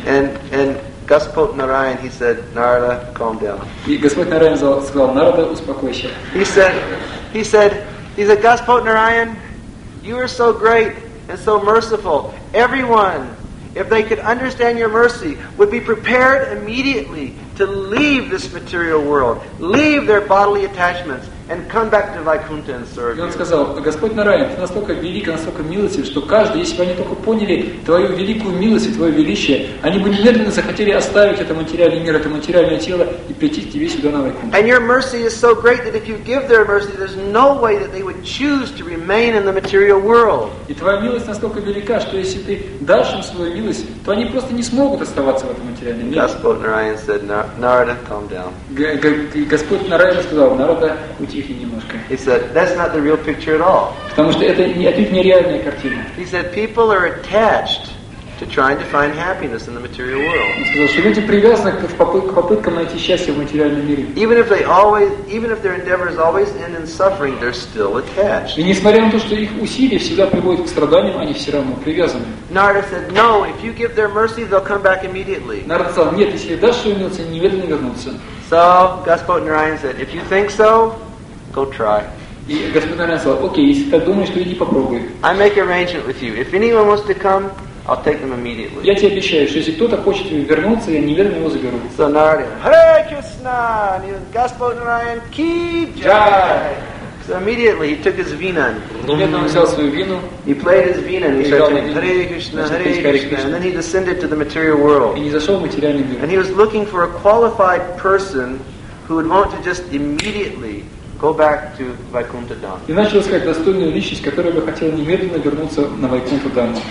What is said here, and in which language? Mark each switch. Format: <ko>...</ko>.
<en>And Gospod Narayan, he said, Narada, calm down.</en> <ru>И Господь Нараян сказал, Нарада, успокойся.</ru> <en>He said, Gospod Narayan, you are so great and so merciful. Everyone, if they could understand your mercy, would be prepared immediately to leave this material world, leave their bodily attachments, and come back to Vaikuntha and serve you.</en> <ru>И он сказал, Господь Нараян, ты настолько велик, настолько милостив, что каждый, если бы они только поняли твою великую милость и твое величие, они бы немедленно захотели оставить это материальный мир, это материальное тело, и прийти к тебе сюда на Вайкунту.</ru> <en>And your mercy is so great that if you give their mercy, there's no way that they would choose to remain in the material world.</en> <ru>И твоя милость настолько велика, что если ты дашь им свою милость, то они просто не смогут оставаться в этом материальном мире.</ru> <en>Господь Нараян said, Narada, calm down.</en> <ru>Господь Нараян сказал, Нарада,</ru> <en>he said, that's not the real picture at all.</en> <ru>Потому что это не реальная картина.</ru> <en>He said, people are attached to trying to find happiness in the material world.</en> <ru>Он сказал, что люди привязаны к попыткам найти счастье в материальном мире.</ru> <en>Even if they always, even if their endeavors always end in suffering, they're still attached.</en> <ru>И несмотря на то, что их усилия всегда приводят к страданиям, они все равно привязаны.</ru> <en>Нарада said, no. If you give their mercy, they'll come back immediately.</en> <ru>Нарада сказал, нет, если дашь им милость, они немедленно вернутся.</ru> <en>So Gaspot Narayan said, if you think so, go try.</en> <ru>И Господь Нарайан сказал, окей, если ты так думаешь, то иди попробуй.</ru> <en>I make arrangement with you. If anyone wants to come, I'll take them immediately.</en> <ru>Я тебе обещаю, что если кто-то хочет вернуться, я немедленно его заберу.</ru> <en>So Narayan, Hare Krishna, Господь Нарайан, Ки Джай. So immediately he took his vina.</en> <ru>Немедленно взял свою вину.</ru> <en>He played his vina and he started to Hare Krishna, Hare Krishna, and then he descended to the material world.</en> <ru>И не зашел в материальный мир.</ru> <en>And he was looking for a qualified person who would want to just immediately go back to Vaikuntha Dham.</en> <ru>И начал искать достойную личность, которая бы хотела немедленно вернуться на Вайкунтху Дхаму.</ru>